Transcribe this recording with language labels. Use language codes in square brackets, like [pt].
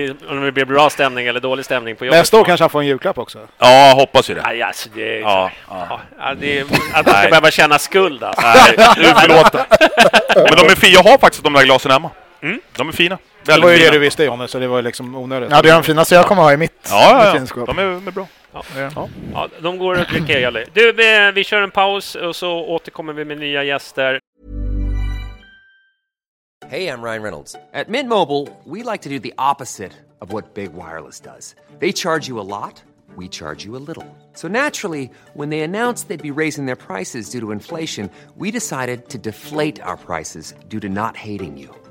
[sv] Om det blir bra stämning eller dålig stämning på jobbet. Nästa år kanske han får en julklapp också. Ja, hoppas ju det. Aj, alltså, det är, ja. Att man ska behöva känna skuld. Nej, förlåt. Men jag har faktiskt de där glasen hemma. De är fina. Det var ju det du visste, Johnny, så det var liksom onödigt. Ja, det är de fina, så jag kommer ha i mitt. Ja. De är bra. Ja. De går att klicka i. Vi kör en paus och så återkommer vi med nya gäster. [en] Hey, I'm Ryan Reynolds. At Mint Mobile, we like to do the opposite of what Big Wireless does. They charge you a lot, we charge you a little. So naturally, when they announced they'd be raising their prices due to inflation, we decided to deflate our prices due to not hating you.